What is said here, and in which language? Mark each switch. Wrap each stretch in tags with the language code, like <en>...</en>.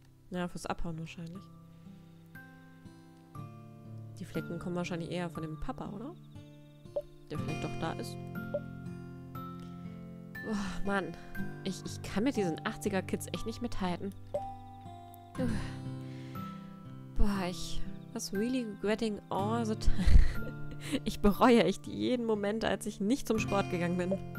<de>Na, ja, fürs Abhauen wahrscheinlich. Die Flecken kommen wahrscheinlich eher von dem Papa, oder? Der vielleicht doch da ist. Oh, Mann. Ich kann mit diesen 80er-Kids echt nicht mithalten.</de> <en>Was really regretting all the time.</en> <de>Ich bereue echt jeden Moment, als ich nicht zum Sport gegangen bin.</de>